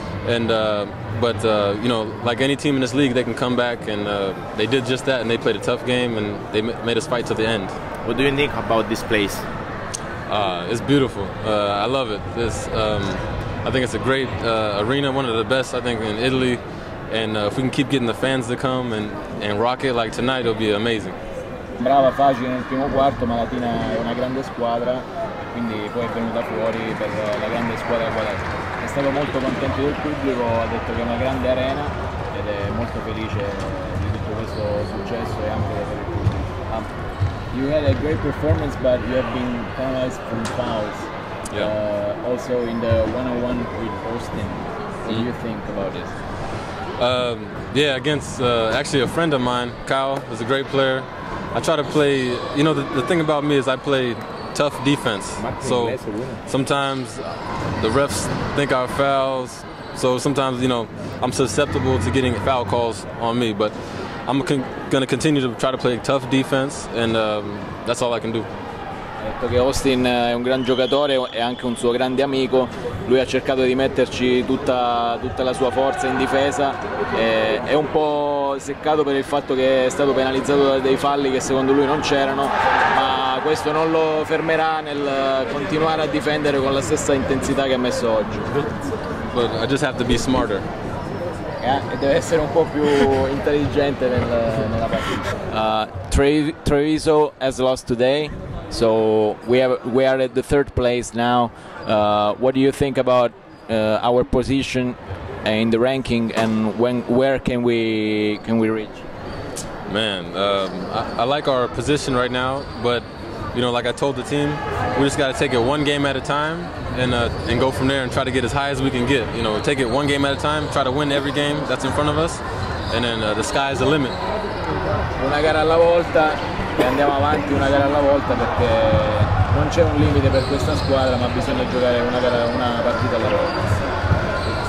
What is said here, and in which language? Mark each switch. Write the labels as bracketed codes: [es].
[en] But like any team in this league, they can come back, and they did just that, and they played a tough game, and they made us fight to the end. What do you think about this place? It's beautiful. I love it. I think it's a great arena, one of the best, I think, in Italy. And if we can keep getting the fans to come and rock it like tonight, it'll be amazing. [it] Brava, facile nel primo quarto, ma Latina è una grande squadra, quindi poi è venuta fuori per la grande squadra qual è. È stato molto contento del pubblico, ha detto che è una grande arena ed è molto felice di tutto questo successo e anche per il pubblico. [en] You had a great performance, but you have been penalized from fouls. Yeah. Also in the one-on-one with Austin. What do you think about this? Yeah, against actually a friend of mine, Kyle, is a great player. I try to play, you know, the thing about me is I play tough defense. So sometimes the refs think I fouls. So sometimes, you know, I'm susceptible to getting foul calls on me. But I'm going to continue to try to play tough defense, and that's all I can do. [it] Che Austin è un gran giocatore e anche un suo grande amico, lui ha cercato di metterci tutta la sua forza in difesa, è un po' seccato per il fatto che è stato penalizzato da dei falli che secondo lui non c'erano, ma questo non lo fermerà nel continuare a difendere con la stessa intensità che ha messo oggi. [en] But I just have to be smarter. [it] Deve essere un po' più intelligente nella partita. [en] Treviso has lost today. So we are at the third place now. What do you think about our position in the ranking, and where can we reach? Man, I like our position right now, but you know, like I told the team, we just got to take it one game at a time and go from there and try to get as high as we can get. You know, take it one game at a time, try to win every game that's in front of us, and then the sky is the limit. [it] Una gara alla volta. E andiamo avanti una gara alla volta, perché non c'è un limite per questa squadra, ma bisogna giocare una partita alla volta.